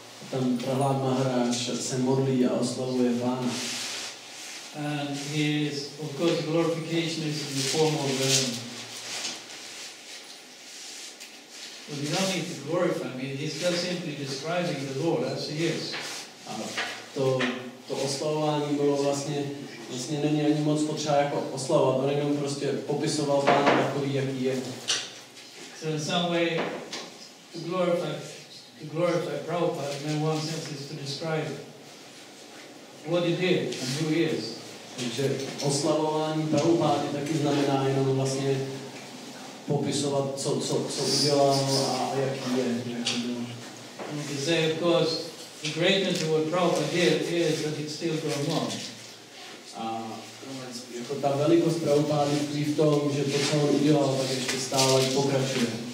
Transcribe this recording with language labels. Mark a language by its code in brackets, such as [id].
[cs] Tam Prahlad Maharaj se modlí a oslavuje Pána. [en] And he is, of course, glorification is in the form of well, you don't need to glorify him. Mean, he's just simply describing the Lord as he is. [cs] A to oslavování bylo vlastně není ani moc potřeba jako oslavovat. On jenom prostě popisoval Pána takový, jaký je. [en] So in some way, to glorify Prabhupada, in one sense is to describe what he did and who he is. [cs] Takže oslavování Prabhupády taky znamená jenom vlastně popisovat, co udělal a jaký je. [en] And to say, of course, the greatness of what Prabhupada did is that it's still going on. [cs] A jako ta velikost Prabhupády tkví v tom, že to, co on udělal, tak ještě stále pokračuje.